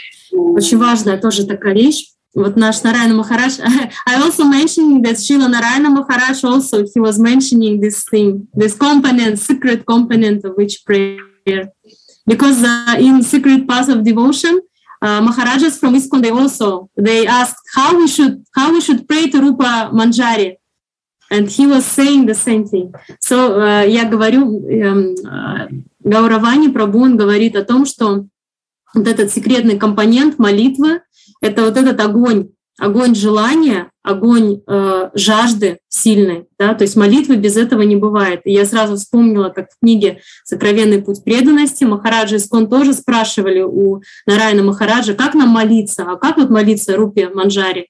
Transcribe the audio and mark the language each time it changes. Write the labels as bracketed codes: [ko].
[ru] Очень важная тоже такая вещь. Вот наш Нарайана Махарадж. [en] I also mentioned that Srila Narayana Maharaj also, he was mentioning this thing, this component, secret component of each prayer. Because in secret path of devotion, Maharajas from ISKCON, they also, they asked how we should pray to Rupa Manjari. And he was saying the same thing. [ru] So я говорю, Гауравани Прабху, он говорит о том, что вот этот секретный компонент молитвы — это вот этот огонь, огонь желания, огонь жажды сильной. Да? То есть молитвы без этого не бывает. И я сразу вспомнила, как в книге «Сокровенный путь преданности» Махараджа ИСККОН тоже спрашивали у Нарайана Махараджа, как нам молиться, а как вот молиться Рупе Манджари?